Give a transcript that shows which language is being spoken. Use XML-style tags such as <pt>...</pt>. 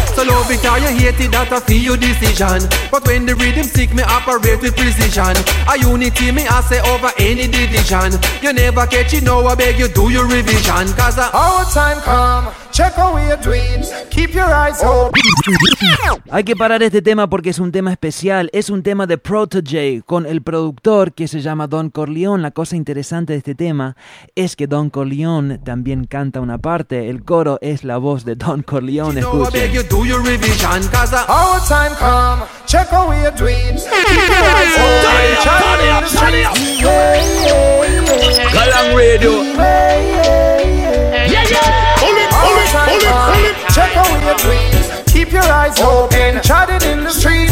<en>So love it or you hate it, that I feel your decision. But when the rhythm seek me operate with precision. A unity me I say over any division. You never catch it, no I beg you do your revision. Cause our time come. Check away your dreams, keep your eyes open.</en> <es>Hay que parar este tema porque es un tema especial. Es un tema de Protégé con el productor que se llama Don Corleone. La cosa interesante de este tema es que Don Corleone también canta una parte. El coro es la voz de Don Corleone. Escuchen.</es> <en>You know, I beg you, do your revision, cause our time come. Check away your dreams, keep your eyes open. Galang Radio. Check out your dreams, keep your eyes open, chat it in the streets.</en>